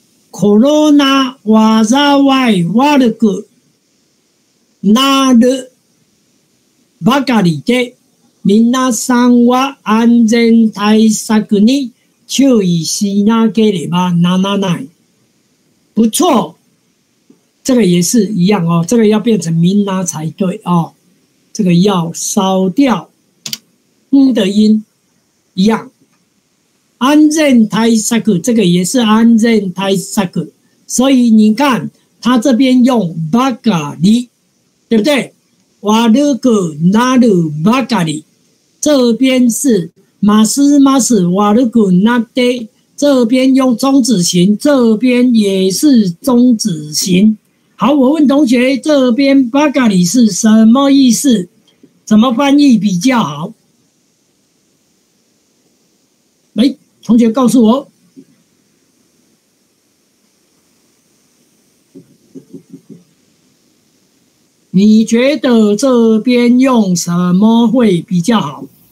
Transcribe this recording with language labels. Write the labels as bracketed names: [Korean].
[Japanese] コロナ災い悪くなるばかりで、皆さんは安全対策に注意しなければならない。 [Chinese] 不错。这个也是一样哦，这个要变成皆才对哦。这个要烧掉嗯的音一样。安全対策，这个也是安全対策，所以你看他这边用ばかり，对不对？悪くなるばかり，这边是ますます悪くなって，这边用中止型，这边也是中止型。好，我问同学，这边ばかり是什么意思？怎么翻译比较好？同学告诉我，你觉得这边用什么会比较好？